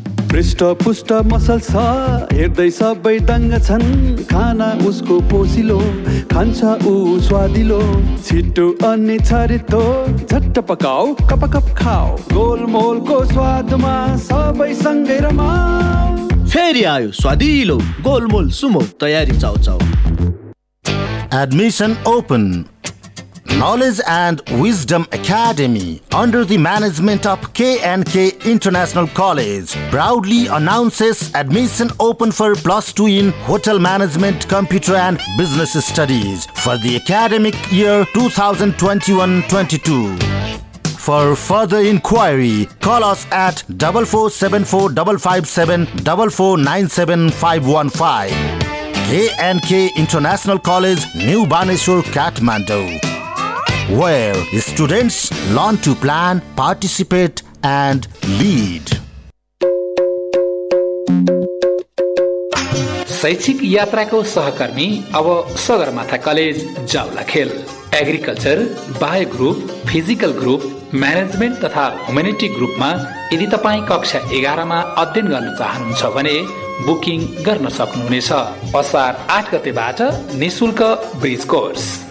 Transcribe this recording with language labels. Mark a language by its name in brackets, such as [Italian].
[Nepali] पृष्ठ पुष्ट मसल छ, हेर्दै सबै दङ्ग छन्, खाना उसको पोसिलो, खान्छ ऊ स्वादिलो, छिटो अनि छरितो, झट्ट पकाउ, कप कप खाऊ, गोलमोलको स्वादमा सबै सँगै रमाऊ। फेरि आयो स्वादिलो गोलमोल सुमो, तयारी चाउ चाउ। [English] Admission open, Knowledge and Wisdom Academy under the management of KNK International College proudly announces admission open for plus two in Hotel Management, Computer and Business Studies for the academic year 2021-22. For further inquiry, call us at 4474557449715. ANK International College, New Baneswar, Kathmandu. Where students learn to plan, participate and lead. [Nepali] शैक्षिक यात्राको सहकर्मी अब Sagarmatha college Jawalakhel agriculture bio group physical group management तथा humanity ग्रुपमा यदि तपाईँ कक्षा 11 अध्ययन गर्न चाहनुहुन्छ भने बुकिङ गर्न सक्नुहुनेछ असार 8 गतेबाट निशुल्क ब्रिज कोर्स